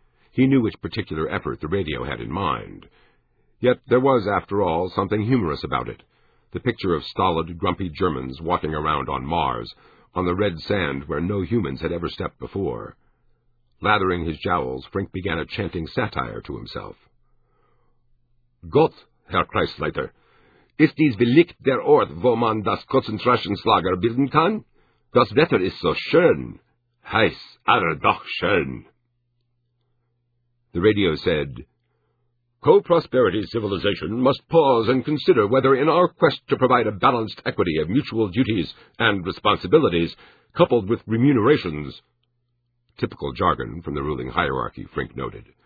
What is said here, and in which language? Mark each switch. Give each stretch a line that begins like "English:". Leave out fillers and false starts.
English: He knew which particular effort the radio had in mind. Yet there was, after all, something humorous about it. The picture of stolid, grumpy Germans walking around on Mars, on the red sand where no humans had ever stepped before. Lathering his jowls, Frink began a chanting satire to himself.
German: Gott, Herr Kreisleiter, ist dies belegt der Ort, wo man das Konzentrationslager bilden kann? Das Wetter ist so schön, heiß, aber doch schön.
English: The radio said, Co-prosperity civilization must pause and consider whether in our quest to provide a balanced equity of mutual duties and responsibilities, coupled with remunerations... Typical jargon from the ruling hierarchy, Frink noted.